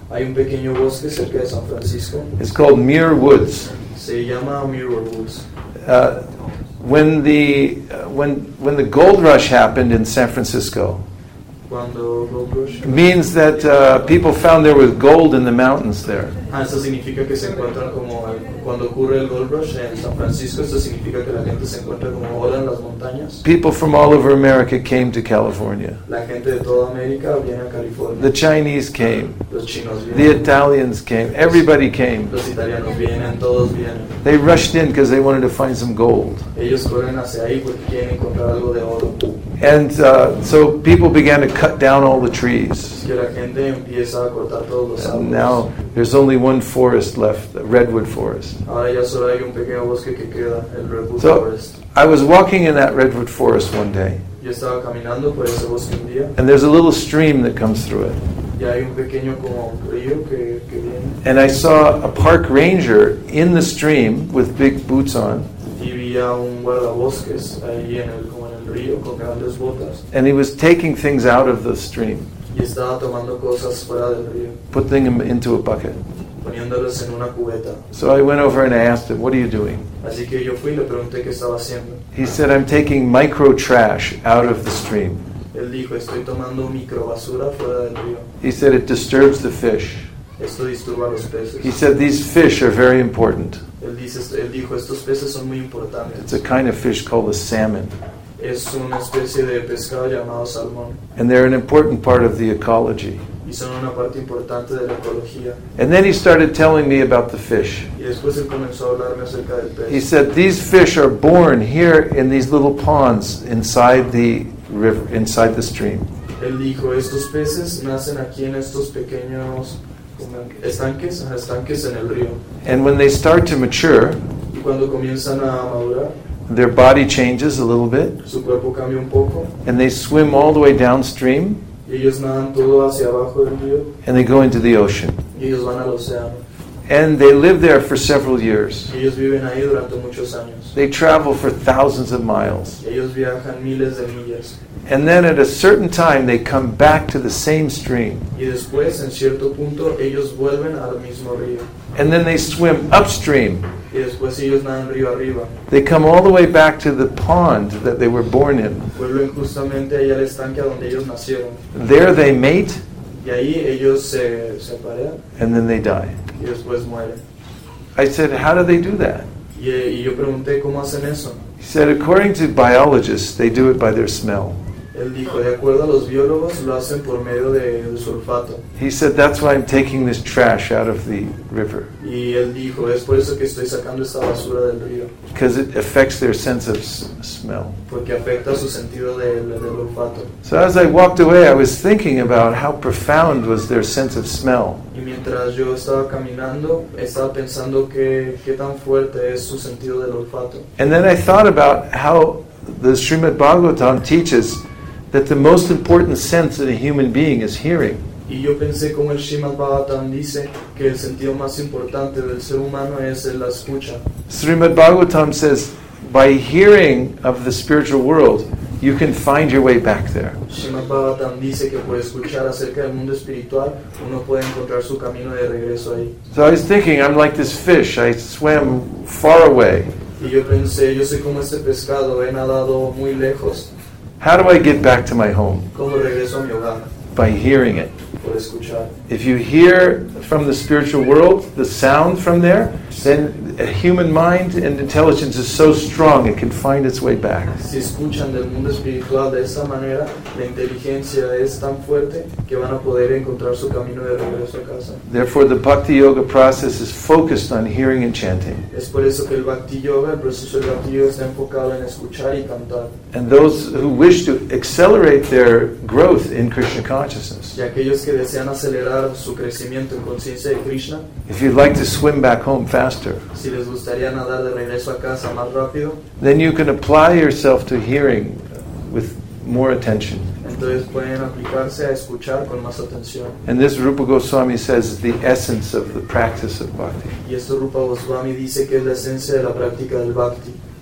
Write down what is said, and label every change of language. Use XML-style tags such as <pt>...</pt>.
<es>Hay un pequeño bosque cerca de San Francisco.</es> <en>It's called Muir Woods.</en> <es>Se llama Muir Woods.</es> <en>When the gold rush happened in San Francisco,</en> <es>cuando gold rush,</es> <en>means that people found there was gold in the mountains there.</en> <es>Eso significa que se encuentran como cuando ocurre el gold rush en San Francisco. Eso significa que la gente se encuentra como oro en las montañas.</es> <en>People from all over America came to California.</en> <es>La gente de toda América viene a California.</es> <en>The Chinese came.</en> <es>Los chinos vienen.</es> <en>The Italians came. Everybody came.</en> <es>Los italianos vienen, todos vienen.</es> <en>They rushed in because they wanted to find some gold.</en> <es>Ellos corren hacia ahí porque quieren encontrar algo de oro.</es> <en>And so people began to cut down all the trees.</en> <es>La gente empieza a cortar todos los árboles.</es> <en>And now there's only one forest left, the redwood forest.</en> <es>Ahora ya solo hay un pequeño bosque que queda, el redwood</es> <en>so forest. I was walking in that redwood forest one day.</en> <es>Yo estaba caminando por ese bosque un día.</es> <en>And there's a little stream that comes through it.</en> <es>Y hay un pequeño como río que viene.</es> <en>And I saw a park ranger in the stream with big boots on.</en> <es>Y vi a un guardabosques ahí en el, como en el río, con grandes botas.</es> <en>And he was taking things out of the stream.</en> <es>Y estaba tomando cosas fuera del río.</es> <en>Putting them into a bucket.</en> <es>Poniéndolos en una cubeta.</es> <en>So I went over and I asked him, "What are you doing?"</en> <es>Así que yo fui y le pregunté qué estaba haciendo.</es> <en>He said, "I'm taking micro trash out of the stream."</en> <es>Él dijo, "Estoy tomando micro basura fuera del río."</es> <en>He said, "It disturbs the fish."</en> <es>Esto disturba a los peces.</es> <en>He said, "These fish are very important."</en> <es>Él dijo, "Estos peces son muy importantes."</es> <en>It's a kind of fish called a salmon.</en> <es>Es una especie de pescado llamado salmón.</es> <en>And they're an important part of the ecology.</en> <es>Y son una parte importante de la ecología.</es> <en>And then he started telling me about the fish.</en> <es>Y después él comenzó a hablarme acerca del pez.</es> <en>He said, "These fish are born here in these little ponds inside the river, inside the stream."</en> <es>Él dijo, "Estos peces nacen aquí en estos pequeños estanques en el río."</es> <en>And when they start to mature,</en> <es>y cuando comienzan a madurar,</es> <en>their body changes a little bit.</en> <es>Su cuerpo cambia un poco.</es> <en>And they swim all the way downstream.</en> <es>Y ellos nadan todo hacia abajo del río.</es> <en>And they go into the ocean.</en> <es>Y ellos van al océano.</es> <en>And they live there for several years.</en> <es>Y ellos viven ahí durante muchos años.</es> <en>They travel for thousands of miles.</en> <es>Y ellos viajan miles de millas.</es> <en>And then at a certain time they come back to the same stream.</en> <es>Y después, en cierto punto, ellos vuelven al mismo río.</es> <en>And then they swim upstream.</en> <es>Y después ellos nadan río arriba.</es> <en>They come all the way back to the pond that they were born in.</en> <es>Vuelven justamente ahí al estanque donde ellos nacieron.</es> <en>There they mate.</en> <es>Y ahí ellos se separan.</es> <en>And then they die.</en> <es>Y después mueren.</es> <en>I said, "How do they do that?"</en> <es>Y yo pregunté, ¿cómo hacen eso?</es> <en>He said, "According to biologists, they do it by their smell."</en> <es>Él dijo, de acuerdo a los biólogos, lo hacen por medio de su olfato.</es> <en>He said, "That's why I'm taking this trash out of the river."</en> <es>Y él dijo, es por eso que estoy sacando esta basura del río.</es> <en>Because it affects their sense of smell.</en> <es>Porque afecta su sentido del olfato.</es> <en>So as I walked away, I was thinking about how profound was their sense of smell.</en> <es>Y mientras yo estaba caminando, estaba pensando qué tan fuerte es su sentido del olfato.</es> <en>And then I thought about how the Srimad Bhagavatam teaches that the most important sense in a human being is hearing.</en> <es>Y yo pensé como el Srimad Bhagavatam dice que el sentido más importante del ser humano es la escucha.</es> <en>Srimad Bhagavatam says, by hearing of the spiritual world, you can find your way back there.</en> <es>Srimad Bhagavatam dice que por escuchar acerca del mundo espiritual, uno puede encontrar su camino de regreso ahí.</es> <en>So I was thinking, I'm like this fish, I swam far away.</en> <es>Y yo pensé, yo soy como este pescado, he nadado muy lejos.</es> <en>How do I get back to my home?</en> <es>¿Cómo regreso a mi hogar?</es> <en>By hearing it.</en> <es>Por escuchar.</es> <en>If you hear from the spiritual world, the sound from there, then a human mind and intelligence is so strong, it can find its way back.</en> <es>Si escuchan del mundo espiritual de esa manera, la inteligencia es tan fuerte que van a poder encontrar su camino de regreso a casa.</es> <en>Therefore, the Bhakti Yoga process is focused on hearing and chanting.</en> <es>Es por eso que el Bhakti Yoga, el proceso del Bhakti Yoga, está enfocado en escuchar y cantar.</es> <en>And those who wish to accelerate their growth in Krishna consciousness.</en> <es>Y aquellos que desean acelerar su crecimiento en conciencia de Krishna.</es> <en>If you'd like to swim back home faster,</en> <es>si les gustaría nadar de regreso a casa más rápido,</es> <en>then you can apply yourself to hearing with more attention.</en> <es>Entonces pueden aplicarse a escuchar con más atención.</es> <en>And this Rupa Goswami says is the essence of the practice of bhakti.</en> <es>Y esto Rupa Goswami dice que es la esencia de la práctica del bhakti.</es>